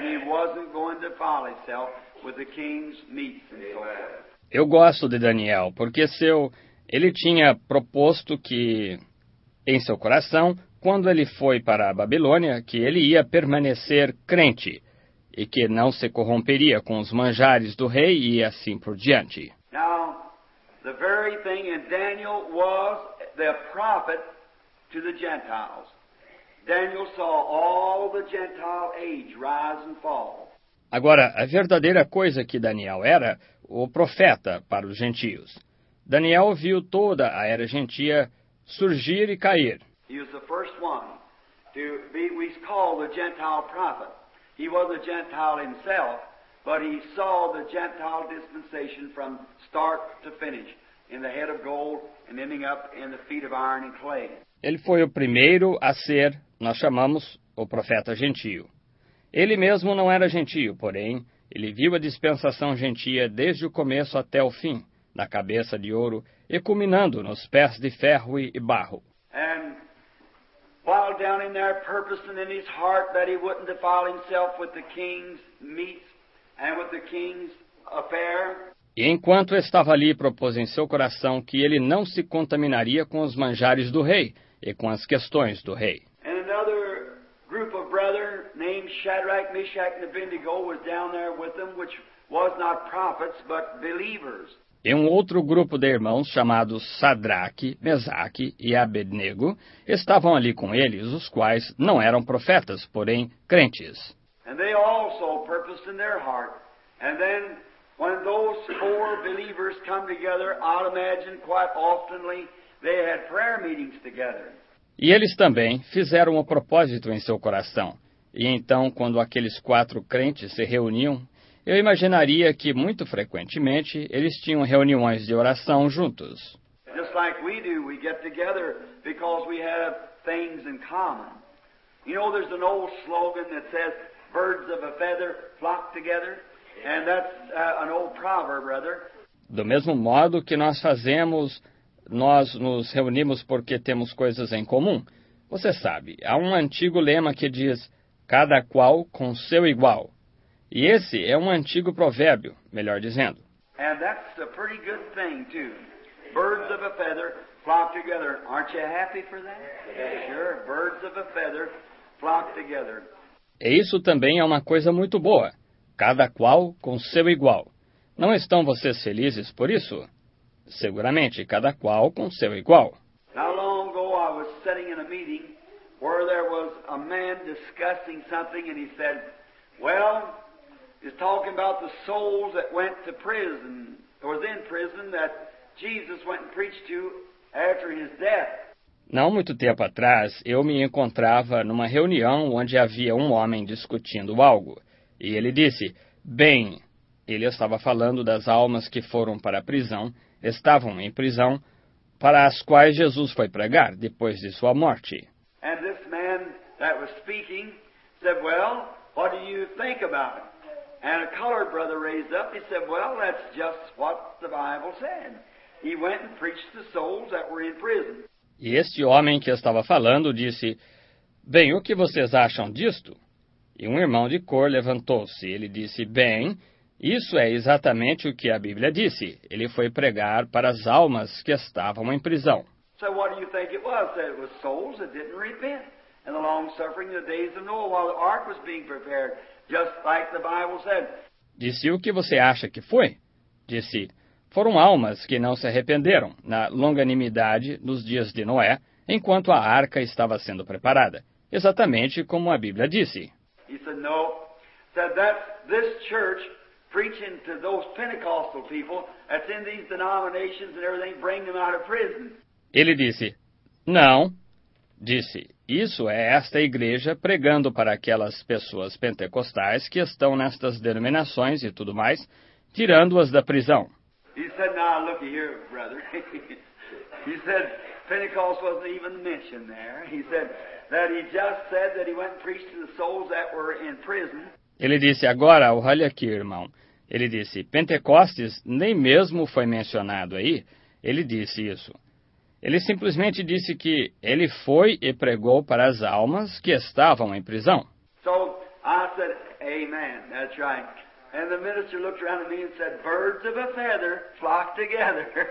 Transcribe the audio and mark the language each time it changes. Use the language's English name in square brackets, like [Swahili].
[English] And he wasn't going to defile himself with the king's meats and so forth. [Portuguese] Eu gosto de Daniel porque ele tinha proposto que em seu coração, quando ele foi para a Babilônia, que ele ia permanecer crente e que não se corromperia com os manjares do rei e assim por diante. [English] Now, the very thing in Daniel was the prophet to the Gentiles. Daniel saw all the Gentile age rise and fall. [Portuguese] Agora, a verdadeira coisa que Daniel era, o profeta para os gentios. Daniel viu toda a era gentia surgir e cair. [English] He was the first one to be, we call the Gentile prophet. He was a Gentile himself, but he saw the Gentile dispensation from start to finish, in the head of gold and ending up in the feet of iron and clay. [Portuguese] Ele foi o primeiro a ser, nós chamamos, o profeta gentio. Ele mesmo não era gentio, porém, ele viu a dispensação gentia desde o começo até o fim, na cabeça de ouro e culminando nos pés de ferro e barro. [English] And while down in there purposing in his heart that he wouldn't defile himself with the king's meats and with the king's affair. [Portuguese] E enquanto estava ali, propôs em seu coração que ele não se contaminaria com os manjares do rei e com as questões do rei. [English] And another group of brethren named Shadrach, Meshach and Abednego was down there with them, which was not prophets but believers. [Portuguese] E um outro grupo de irmãos, chamados Sadraque, Mesaque e Abednego, estavam ali com eles, os quais não eram profetas, porém crentes. [English] And they also purposed in their heart. And then, when those four believers come together, I'd imagine quite oftenly they had prayer meetings together. [Portuguese] E eles também fizeram o propósito em seu coração. E então, quando aqueles quatro crentes se reuniam, eu imaginaria que, muito frequentemente, eles tinham reuniões de oração juntos. [English] Just like we do, we get together because we have things in common. You know, there's an old slogan that says, birds of a feather flock together. And that's an old proverb, rather. [Portuguese] Do mesmo modo que nós fazemos, nós nos reunimos porque temos coisas em comum. Você sabe, há um antigo lema que diz, cada qual com seu igual. E esse é um antigo provérbio, melhor dizendo. [English] And that's a pretty good thing, too. Birds of a feather flock together. Aren't you happy for that? Yeah. Sure, birds of a feather flock together. [Portuguese] E isso também é uma coisa muito boa. Cada qual com seu igual. Não estão vocês felizes por isso? Seguramente, cada qual com seu igual. [English] Not long ago, I was sitting in a meeting where there was a man discussing something and he said, well, he's talking about the souls that went to prison, or was in prison, that Jesus went and preached to after his death. [Portuguese] Não muito tempo atrás, eu me encontrava numa reunião onde havia um homem discutindo algo. E ele disse, bem, ele estava falando das almas que foram para a prisão, estavam em prisão, para as quais Jesus foi pregar depois de sua morte. [English] And this man that was speaking said, well, what do you think about it? And a colored brother raised up, he said, well, that's just what the Bible said. He went and preached the souls that were in prison. [Portuguese] E este homem que estava falando disse, bem, o que vocês acham disto? E um irmão de cor levantou-se. Ele disse, bem, isso é exatamente o que a Bíblia disse. Ele foi pregar para as almas que estavam em prisão. [English] So what do you think it was? That it was souls that didn't repent. And the long suffering, the days of Noah, while the ark was being prepared. Just like the Bible said. [Portuguese] Disse, o que você acha que foi? Disse, foram almas que não se arrependeram na longanimidade nos dias de Noé, enquanto a arca estava sendo preparada. Exatamente como a Bíblia disse. [English] He said, no. Said, that's this church preaching to those Pentecostal people that's in these denominations and everything, bring them out of prison. [Portuguese] Ele disse, não. Disse, isso é esta igreja pregando para aquelas pessoas pentecostais que estão nestas denominações e tudo mais, tirando-as da prisão. [English] He said, now look here, brother. He said, Pentecost wasn't even mentioned there. He said, that he just said that he went and preached to the souls that were in prison. [Portuguese] Ele disse, agora, olha aqui, irmão. Ele disse, Pentecostes nem mesmo foi mencionado aí. Ele disse isso. Ele simplesmente disse que ele foi e pregou para as almas que estavam em prisão. [English] So, I said, amen, that's right. And the minister looked around at me and said, birds of a feather flock together.